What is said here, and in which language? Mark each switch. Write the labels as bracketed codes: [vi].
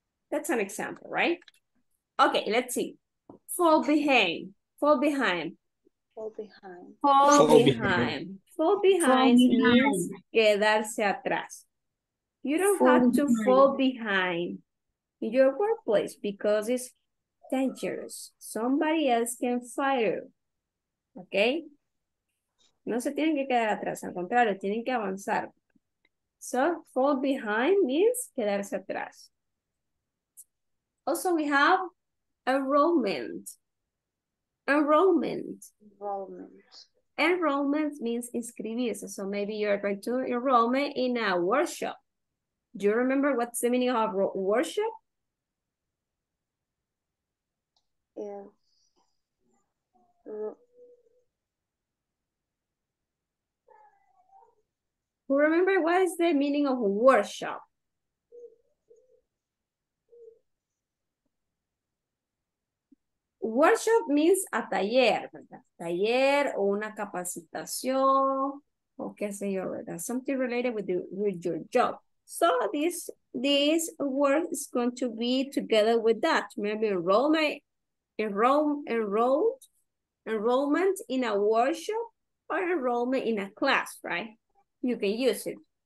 [en] That's an example, right? Okay, let's see. Fall behind. Fall behind. Fall behind. Fall behind. Fall behind means [es] quedarse atrás. [en] You don't have to fall behind in your workplace because it's dangerous. Somebody else can fire you. Okay? [es] No se tienen que quedar atrás, al contrario, tienen que avanzar. [en] So, fall behind means [es] quedarse atrás. [en] Also, we have enrollment. Enrollment. Enrollment. Enrollment means inscribirse. So, maybe you're going to enroll in a workshop. Do you remember what's the meaning of worship? Yeah. Who remember what is the meaning of worship? Worship means a [es] taller, ¿verdad? Taller o una capacitación o qué sé yo, ¿verdad? [en] Something related with your job. So this word is going to be together with that. Maybe enrollment in a workshop or enrollment in a class, right? You can use it.